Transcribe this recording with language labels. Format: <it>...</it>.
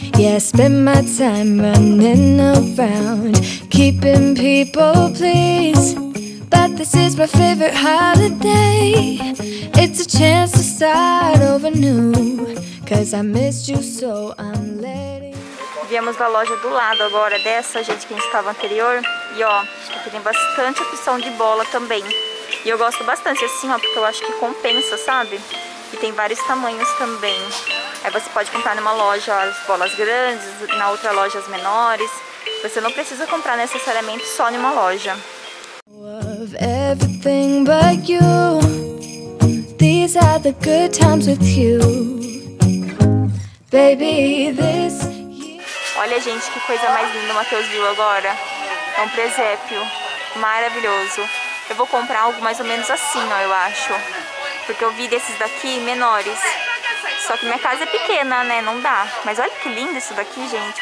<en>Yeah, I spend my time running around, keeping people pleased. But this is my favorite holiday. It's a chance to start over new. Cause I missed you so I'm letting.</en> <pt>Viemos da loja do lado agora, dessa gente que a gente estava anterior. E ó, aqui tem bastante opção de bola também. E eu gosto bastante assim, ó, porque eu acho que compensa, sabe? E tem vários tamanhos também. Aí você pode comprar numa loja as bolas grandes, na outra loja as menores. Você não precisa comprar necessariamente só numa loja.</pt> <en>Of everything but you. These are the good times with you. Baby, this.</en> <pt>Olha, gente, que coisa mais linda o Matheus viu agora. É um presépio maravilhoso. Eu vou comprar algo mais ou menos assim, ó, eu acho. Porque eu vi desses daqui menores. Só que minha casa é pequena, né? Não dá. Mas olha que lindo isso daqui, gente.</pt>